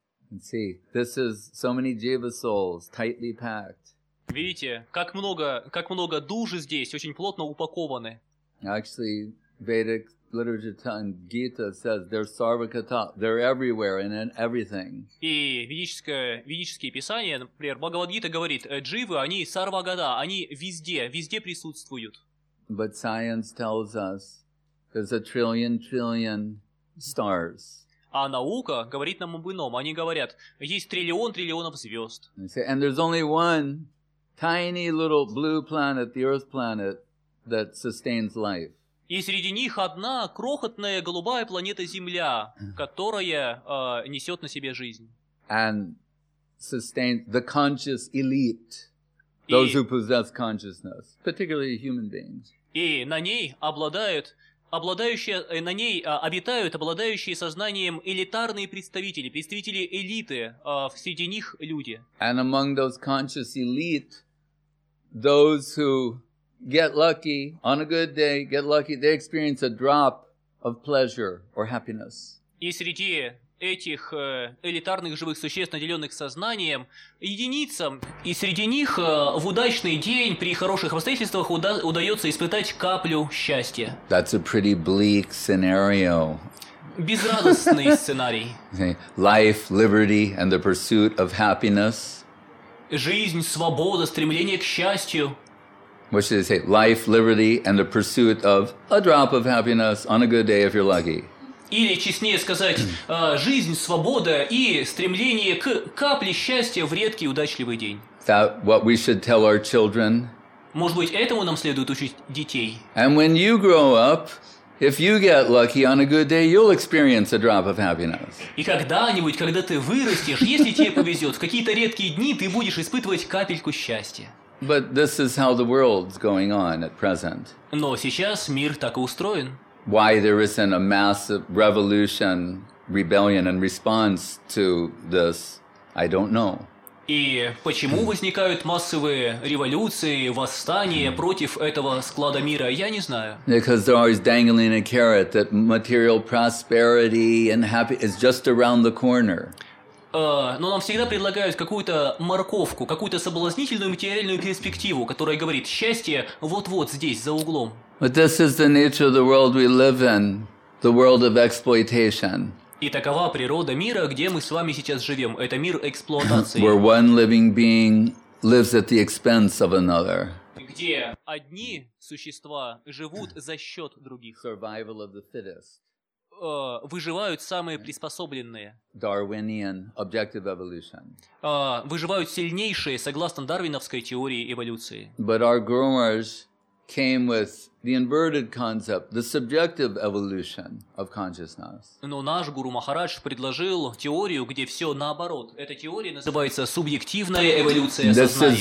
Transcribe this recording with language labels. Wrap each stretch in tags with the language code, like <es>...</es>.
<en>Let's see, this is so many jiva souls tightly packed.</en> <ru>Видите, как много душ здесь очень плотно упакованы.</ru> <en>Actually, Vedic literature and Gita says they're sarvakata, they're everywhere and in everything.</en> <ru>И ведическое писание, например, Бхагавад-гита говорит, дживы, они сарвагата, они везде присутствуют.</ru> <en>But science tells us there's a trillion trillion stars.</en> <ru>А наука говорит нам об ином. Они говорят, есть триллион триллионов звезд.</ru> <en>And there's only one tiny little blue planet, the Earth planet, that sustains life.</en> <ru>И среди них одна крохотная голубая планета Земля, которая несет на себе жизнь.</ru> <en>And sustains the conscious elite, those who possess consciousness, particularly human beings.</en> <ru>И на ней обитают обладающие сознанием элитарные представители элиты, среди них люди.</ru> <en>And among those conscious elite, those who get lucky on a good day, get lucky, they experience a drop of pleasure or happiness.</en> <ru>И среди этих элитарных живых существ, наделенных сознанием, единицам, и среди них в удачный день при хороших обстоятельствах удается испытать каплю счастья.</ru> <en>That's a pretty bleak scenario.</en> <ru>Безрадостный сценарий.</ru> <en>Life, liberty, and the pursuit of happiness.</en> <ru>Жизнь, свобода, стремление к счастью.</ru> <en>What should they say? Life, liberty, and the pursuit of a drop of happiness on a good day if you're lucky.</en> <ru>Или, честнее сказать, жизнь, свобода и стремление к капле счастья в редкий удачливый день.</ru> <en>That what we should tell our children.</en> <ru>Может быть, этому нам следует учить детей.</ru> <en>And when you grow up, if you get lucky on a good day, you'll experience a drop of happiness.</en> <ru>И когда-нибудь, когда ты вырастешь, если тебе повезет, в какие-то редкие дни ты будешь испытывать капельку счастья.</ru> <en>But this is how the world's going on at present.</en> <ru>Но сейчас мир так и устроен.</ru> <en>Why there isn't a massive revolution, rebellion, and response to this, I don't know.</en> <ru>И почему возникают массовые революции, восстания против этого склада мира, я не знаю.</ru> <en>Because they're always dangling a carrot that material prosperity and happy is just around the corner.</en> <ru>Но нам всегда предлагают какую-то морковку, какую-то соблазнительную материальную перспективу, которая говорит, счастье вот-вот здесь, за углом.</ru> <en>But this is the nature of the world we live in, the world of exploitation.</en> <ru>И такова природа мира, где мы с вами сейчас живем. Это мир эксплуатации.</ru> <en>Where one living being lives at the expense of another.</en> <ru>Где одни существа живут за счет других.</ru> <en>Survival of the fittest.</en> <ru>Выживают самые приспособленные.</ru> <en>Darwinian objective evolution.</en> <ru>Выживают сильнейшие, согласно дарвиновской теории эволюции.</ru> <en>But our growers came with the inverted concept, the subjective evolution of consciousness.</en> <ru>Но наш гуру Махарадж предложил теорию, где все наоборот. Эта теория называется субъективная эволюция сознания.</ru>